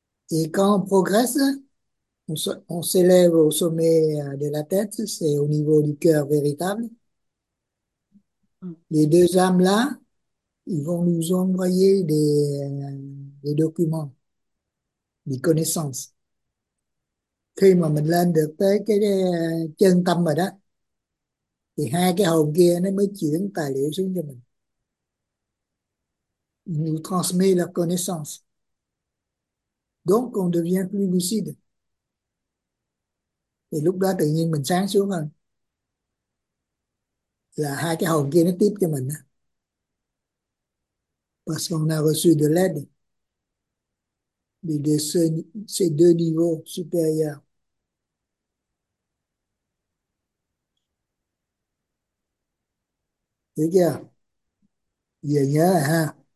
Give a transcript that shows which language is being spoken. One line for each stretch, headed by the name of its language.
French: Et quand on progresse, on s'élève au sommet de la tête, c'est au niveau du cœur véritable. Les deux âmes là, ils vont nous envoyer des documents, des connaissances.
Vietnamese: Khi mà mình lên được tới cái chân tâm rồi đó, thì hai cái hồn kia nó mới chuyển tài liệu xuống cho mình.
French: Nous transmet la connaissance. Donc, on devient plus lucide.
Vietnamese: Thì lúc đó tự nhiên mình sáng xuống hơn. Là hai cái hồn kia nó tiếp cho mình đó.
French: Parce qu'on a reçu de l'aide de ces deux niveaux supérieurs.
Vietnamese: Được chưa? Giờ nhớ rồi ha.